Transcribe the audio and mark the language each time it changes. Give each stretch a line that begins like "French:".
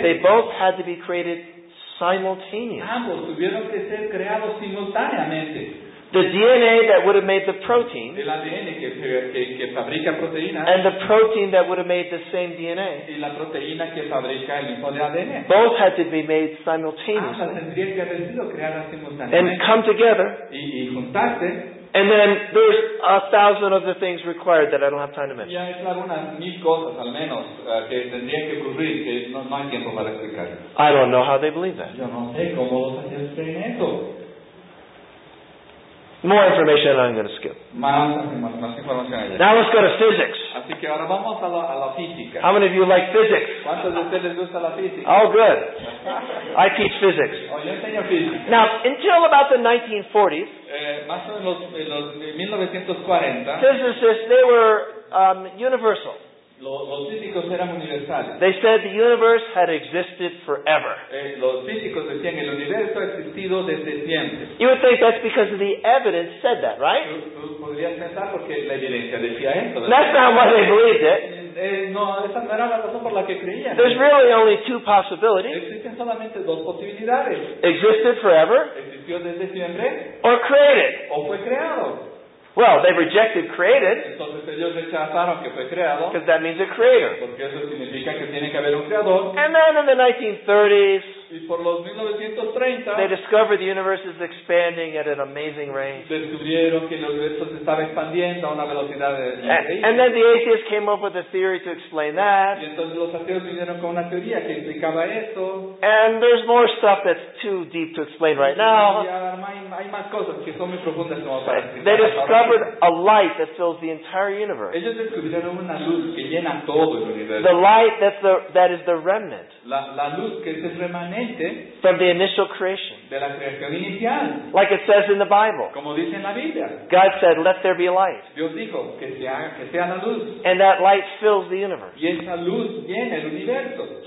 English: they both had to be created simultaneously.
Spanish: Ambos tuvieron que ser creados simultáneamente.
English: The DNA that would have made the protein,
Spanish: el ADN que fabrica proteína,
English: and the protein that would have made the same DNA,
Spanish: y la proteína que fabrica el mismo de ADN,
English: both had to be made simultaneously.
Spanish: Ambas tendrían que haber sido creadas simultáneamente,
English: and come together.
Spanish: Y juntarse.
English: And then there's a thousand other things required that I don't have time to mention.
Spanish: Y hay algunas mil cosas al menos que tendría que ocurrir que no hay tiempo para explicar.
English: I don't know how they believe that.
Spanish: Yo no sé cómo los ateos creen eso.
English: More information I'm going to skip. Now let's go to physics.
Spanish: Así que ahora vamos a la física.
English: How many of you like physics?
Spanish: ¿Cuántos de ustedes gusta la física?
English: Oh, good. I teach physics.
Spanish: Oh, yo enseño física.
English: Now, until about the 1940s,
Spanish: más o menos en los 1940,
English: physicists, they were universal.
Spanish: Los físicos eran universales.
English: They said the universe had existed forever.
Spanish: Los físicos decían que el universo ha existido desde siempre.
English: You would think that's because the evidence said that, right?
Spanish: Tú podrías pensar porque la evidencia decía eso.
English: That's not why they believed it.
Spanish: No, esa no era la razón por la que creían.
English: There's really only two possibilities.
Spanish: Existen solamente dos posibilidades.
English: Existed forever.
Spanish: Existió desde siempre.
English: Or created.
Spanish: O fue creado.
English: Well, they rejected created.
Spanish: Entonces ellos rechazaron que fue creado.
English: Because that means a creator.
Spanish: Porque eso significa que tiene que haber un creador.
English: And then in the 1930s,
Spanish: y por los 1930,
English: they discovered the universe is expanding at an amazing rate.
Spanish: Descubrieron que el universo se estaba expandiendo a una velocidad increíble.
English: And then the atheists came up with a theory to explain that.
Spanish: Y entonces los ateos vinieron con una teoría que explicaba eso.
English: And there's more stuff that's too deep to explain right now.
Spanish: Hay más cosas que son muy profundas como para explicar.
English: They discovered a light that fills the entire universe.
Spanish: Ellos descubrieron una luz que llena todo el universo.
English: The light that is the remnant.
Spanish: La luz que es el remanente.
English: From the initial creation.
Spanish: De la creación inicial.
English: Like it says in the Bible.
Spanish: Como dice en la Biblia.
English: God said, let there be light.
Spanish: Dios dijo, que sea la luz.
English: And that light fills the universe.
Spanish: Y esa luz llena el universo.